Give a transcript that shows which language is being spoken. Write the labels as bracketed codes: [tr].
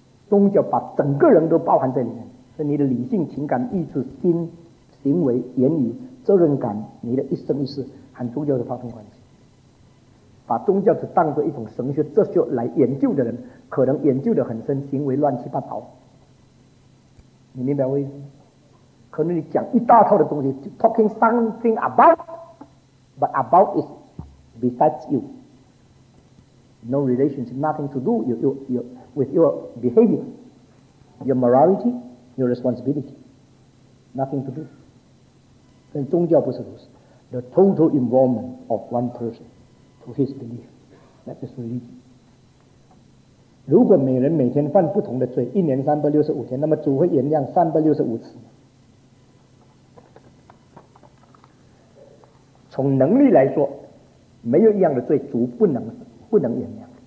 [zh] 宗教把整个人都包含在里面，是你的理性、情感、意志、心、行为、言语、责任感，你的一生一世和宗教的发生关系。把宗教只当作一种神学、哲学来研究的人，可能研究得很深，行为乱七八糟。你明白我意思？可能你讲一大套的东西 [en] ，talking something about, but about is besides you. No relationship, nothing to do with your behavior, your morality, your responsibility, nothing to do. [zh] 但宗教不是如此 [en] ，the total involvement of one person to his belief, that is religion. [zh] 如果每人每天犯不同的罪，一年365天，那么主会原谅365次。从能力来说，没有一样的罪主不能原谅。